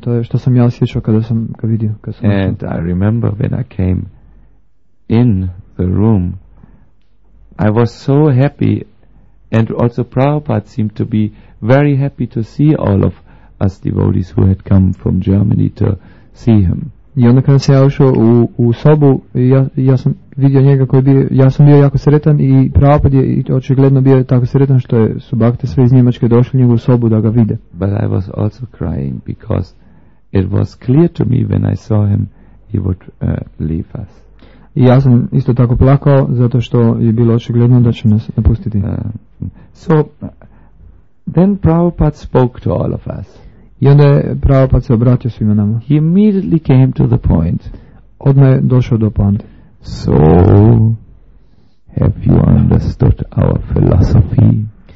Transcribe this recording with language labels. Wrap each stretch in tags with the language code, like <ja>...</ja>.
<hr>To je što sam ja osjećao kada sam ga vidio.</hr> <en>And I remember when I came in the room, I was so happy, and also Prabhupada seemed to be very happy to see all of us devotees who had come from Germany to see him.</en> <hr>I onda kada sam ja ušao u sobu, ja sam vidio njega koji bio, ja sam bio jako sretan i Prabhupad je očigledno bio tako sretan što je su bhakte sve iz Njemačke došli u njegovu sobu da ga vide.</hr> <en>But I was also crying because it was clear to me when I saw him he would leave us.</en> <hr>I ja sam isto tako plakao zato što je bilo očigledno da će nas napustiti.</hr> <en>So then Prabhupada spoke to all of us.</en> <hr>I onda je Prabhupad se obratio svima nama.</hr> <en>He immediately came to the point.</en> <hr>Odmah je došao do point.</hr> <en>So, have you understood our philosophy?</en>